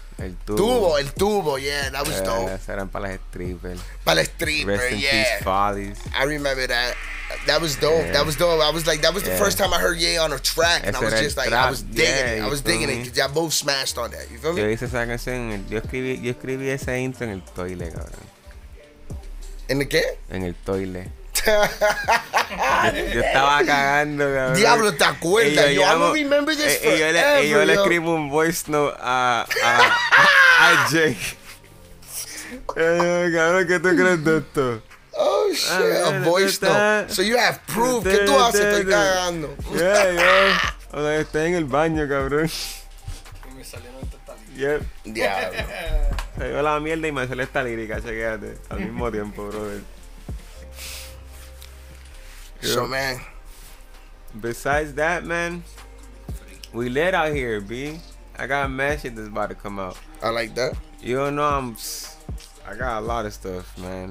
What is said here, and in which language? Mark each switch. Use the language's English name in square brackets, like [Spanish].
[Spanish] El tubo, [English] yeah, that was dope. [Spanish] Esas eran para las strippers. Para las strippers, yeah. [English] Rest in peace, Follies. I remember that. That was dope. Yeah. That was dope. I was like, that was the first time I heard Ye on a track, and I was just like, I was digging it. Cause y'all both smashed on that. You feel me? [Spanish] Yo hice esa canción. Yo escribí esa intro en el toile, cabrón. ¿En el qué? En el toile. yo estaba cagando, cabrón. Diablo, ¿te acuerdas? [English] I'm gonna remember this forever. [Spanish] Yo le escribo un voice note a Jake. Cabrón, ¿qué tú crees de esto? [English] Oh shit, a voice note. So you have proof. [Spanish] ¿Qué tú haces? Estoy cagando. Yeah, yeah. O sea, estoy en el baño, cabrón. Y me salieron estas líricas. Yep. Diablo. Se dio la mierda y me sale esta lírica, chequéate. Al mismo tiempo, brother. [English] Yep. So, man. Besides that, man, we lit out here, B. I got a mad shit that's about to come out. I like that. You don't know, I got a lot of stuff, man.